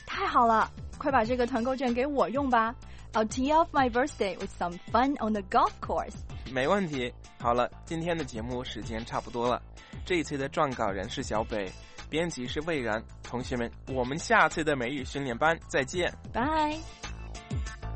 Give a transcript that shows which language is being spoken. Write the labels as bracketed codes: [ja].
[zh] 太好了，快把这个团购券给我用吧。 [en] I'll tee off my birthday with some fun on the golf course. [zh] 没问题。好了，今天的节目时间差不多了。这一期的撰稿人是小北，编辑是魏然。同学们，我们下次的美语训练班再见。 [en] Bye。